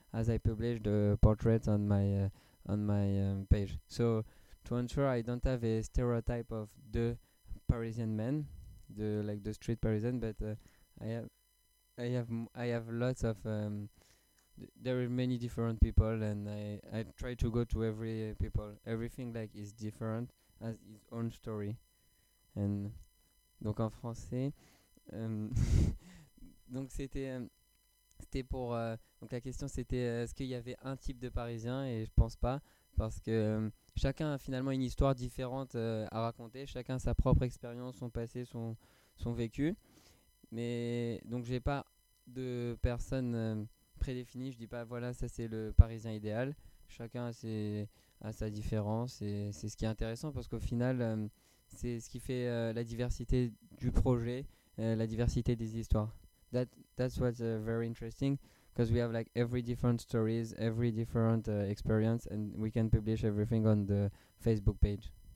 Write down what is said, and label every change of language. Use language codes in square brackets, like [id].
[en] As I publish the portrait on my page, so to ensure I don't have a stereotype of the Parisian man, the street Parisian, but I have lots of. There are many different people, and I try to go to every people. Everything like is different, has its own story. [fr] And donc en français, donc c'était pour donc la question c'était est-ce qu'il y avait un type de Parisien, et je pense pas, parce que chacun a finalement une histoire différente à raconter, chacun sa propre expérience, son passé, son vécu. Mais donc j'ai pas de personne prédéfini, je dis pas voilà ça c'est le Parisien idéal, chacun a sa différence, et c'est ce qui est intéressant, parce qu'au final c'est ce qui fait la diversité du projet, la diversité des histoires. [en] That's what's very interesting, because we have like every different stories, every different experience, and we can publish everything on the Facebook page.